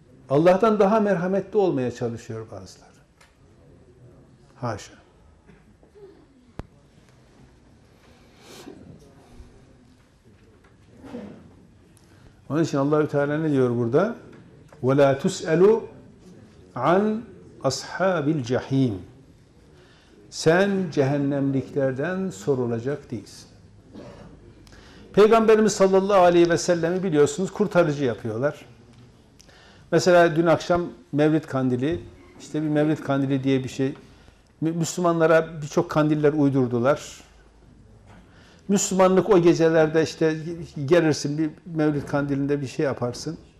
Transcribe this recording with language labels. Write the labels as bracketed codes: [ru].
[tr] Allah'tan daha merhametli olmaya çalışıyor bazıları. Haşa. Onun için Allah-u Teala ne diyor burada? [ar] وَلَا تُسْأَلُ عَنْ أَصْحَابِ الْجَح۪يمِ [tr] Sen cehennemliklerden sorulacak değilsin. Peygamberimiz sallallahu aleyhi ve sellem'i biliyorsunuz kurtarıcı yapıyorlar. Mesela dün akşam Mevlid Kandili, işte bir Mevlid Kandili diye bir şey. Müslümanlara birçok kandiller uydurdular. Müslümanlık o gecelerde işte gelirsin bir Mevlid Kandili'nde bir şey yaparsın.